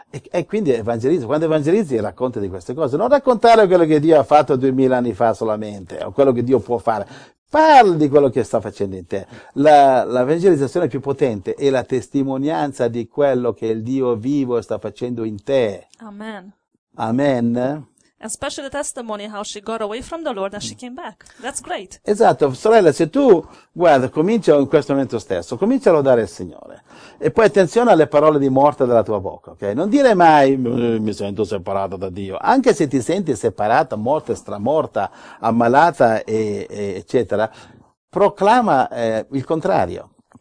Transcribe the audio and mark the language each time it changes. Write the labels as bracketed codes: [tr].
[it] E quindi evangelizza, quando evangelizzi racconta di queste cose, non raccontare quello che Dio ha fatto 2000 anni fa solamente, o quello che Dio può fare, parla di quello che sta facendo in te. La evangelizzazione più potente è la testimonianza di quello che il Dio vivo sta facendo in te. Amen. Amen. [en] Especially the testimony how she got away from the Lord and she came back. That's great. [it] Esatto, sorella, se tu, guarda, comincia in questo momento stesso, comincia a lodare il Signore. E poi attenzione alle parole di morte della tua bocca, ok? Non dire mai, mi sento separata da Dio. Anche se ti senti separata, morta, stramorta, ammalata, e eccetera, proclama il contrario.